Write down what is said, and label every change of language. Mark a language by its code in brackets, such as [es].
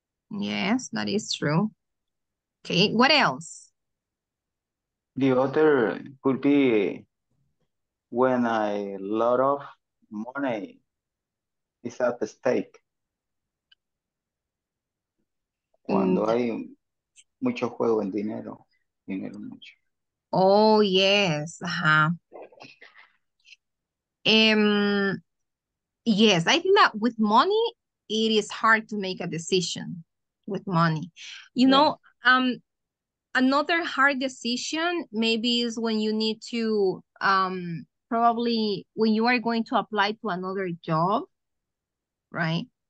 [en] Yes, that is true. Okay, what else? The other could be when a lot of money is at stake. [es] Cuando hay mucho juego en dinero, dinero mucho. [en] Oh, yes. Yes, I think that with money, it is hard to make a decision with money. You know, another hard decision maybe is when you need to, probably when you are going to apply to another job, right?